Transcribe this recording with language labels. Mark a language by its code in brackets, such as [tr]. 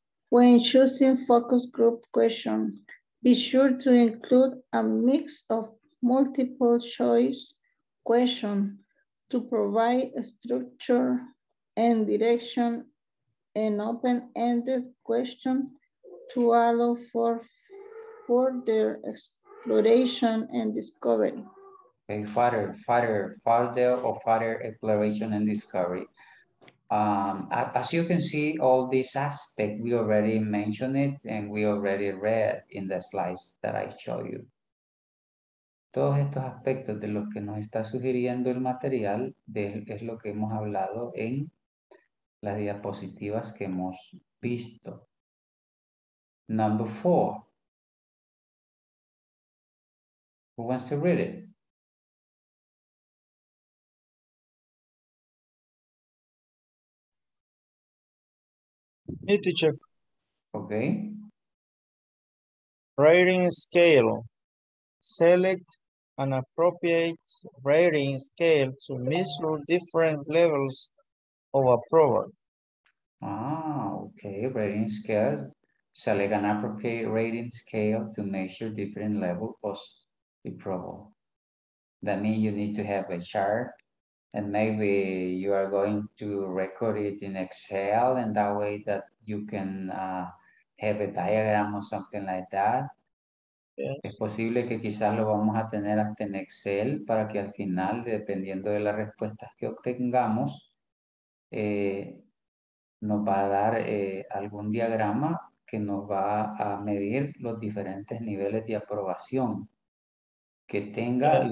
[en] When choosing focus group questions, be sure to include a mix of multiple choice questions to provide a structure and direction, and open-ended questions to allow for further exploration and discovery. Okay, further exploration and discovery. As you can see, all these aspects, we already mentioned it and we already read in the slides that I showed you. [es] Todos estos aspectos de los que nos está sugiriendo el material es lo que hemos hablado en las diapositivas que hemos visto. [en] Number four. Who wants to read it? Me, teacher. Okay. Rating scale. Select an appropriate rating scale to measure different levels of approval. Okay. Rating scale. Select an appropriate rating scale to measure different levels of approval. That means you need to have a chart. And maybe you are going to record it in Excel, and that way that you can have a diagram or something like that. Yes. [es] Es posible que quizás lo vamos a tener hasta en Excel para que al final, dependiendo de las respuestas que obtengamos, nos va a dar algún diagrama que nos va a medir los diferentes niveles de aprobación que tenga yes.